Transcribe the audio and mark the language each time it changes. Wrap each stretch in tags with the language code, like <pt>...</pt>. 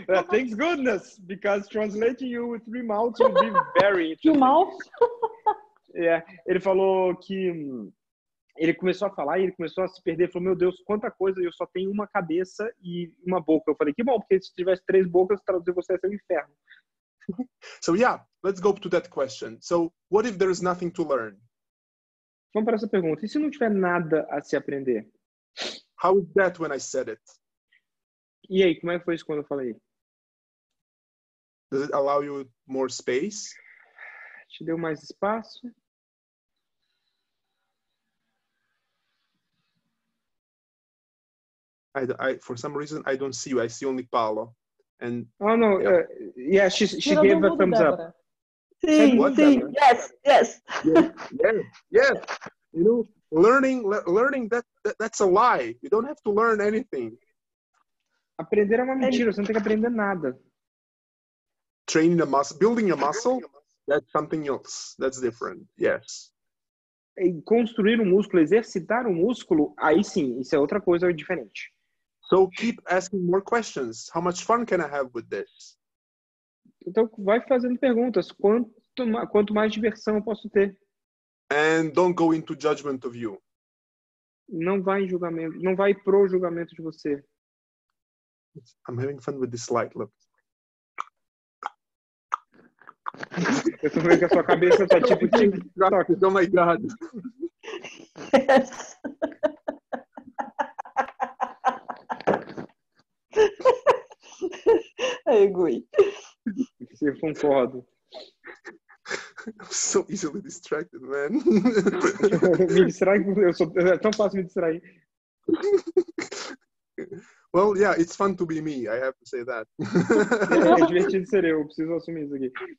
<en>Thank goodness, because translating you with three mouths would be very interesting. Two mouths?</en> <pt>Yeah, ele falou que ele começou a falar e ele começou a se perder, ele falou, meu Deus, quanta coisa, eu só tenho uma cabeça e uma boca. Eu falei, que bom, porque se tivesse três bocas, traduzir você ia ser um inferno.</pt> <en>So yeah, let's go to that question. So what if there is nothing to learn?</en> <pt>Vamos para essa pergunta. E se não tiver nada a se aprender?</pt> <en>How is that when I said it?</en> <pt>E aí, como é que foi isso quando eu falei?</pt> <en>Does it allow you more space?</en> <pt>Te deu mais espaço?</pt> <en>For some reason, I don't see you. I see only Paulo. And oh no, yeah, she gave a thumbs up.</en> <pt>Sim, what, sim, Deborah? yes.</pt> <en>Yeah. You know, learning that's a lie. You don't have to learn anything.</en> <pt>Aprender é uma mentira. Você não tem que aprender nada.</pt> <en>Training a muscle, building a muscle, that's something else. That's different. Yes.</en> <pt>E construir um músculo, exercitar um músculo, aí sim, isso é outra coisa diferente.</pt> <en>So keep asking more questions. How much fun can I have with this?</en> <pt>Então vai fazendo perguntas. Quanto mais diversão eu posso ter?</pt> <en>And don't go into judgment of you.</en> <pt>Não vai em julgamento. Não vai pro julgamento de você.</pt> <en>I'm having fun with this light. Look.</en> <pt>Eu tô vendo que a sua cabeça tá tipo TikTok.</pt> <en>Oh my God. Yes.</en> <pt>Eu agui. Você concorda.</pt> <en>I'm so easily distracted, man.</en> <pt>Me distrair, eu sou é tão fácil me distrair.</pt> <en>Well, yeah, it's fun to be me, I have to say that.</en> <pt>É divertido ser eu, preciso assumir isso aqui.</pt>